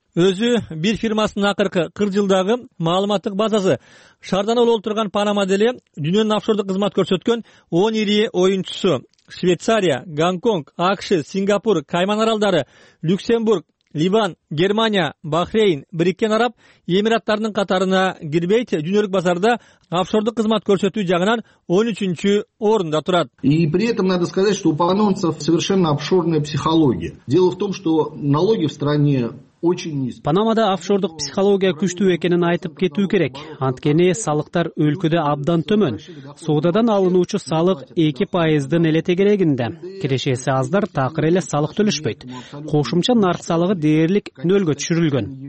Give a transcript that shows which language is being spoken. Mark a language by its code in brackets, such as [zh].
[ky] Өзү бир фирмасынын акыркы 40 жылдагы маалыматтык базасы шаардан олол турган Панама деле дүйнөнүн офшордук кызмат көрсөткөн 10 ири оюнчусу: Швейцария, Гонконг, АКШ, Сингапур, Кайман аралдары, Люксембург, Ливан, Германия, Бахрейн, Бириккен Араб Эмираттарынын катарына кирбейт. Дүйнөлүк базарда офшордук кызмат көрсөтүү жагынан 13-чү орунда турат. [ru] И при этом надо сказать, что у панамцев совершенно офшорная психология. Дело в том, что налоги в стране очень низкие. [ky] Панамада офшордук психология күчтүү экенин айтып кетүү керек. Анткени салыктар өлкөдө абдан төмөн. Соодадан алынуучу салык 2% эле тегерегинде. Кирешеси аздар, такыр эле салык төлөшпөйт. Кошумча нарк салыгы дээрлик нөлгө түшүрүлгөн.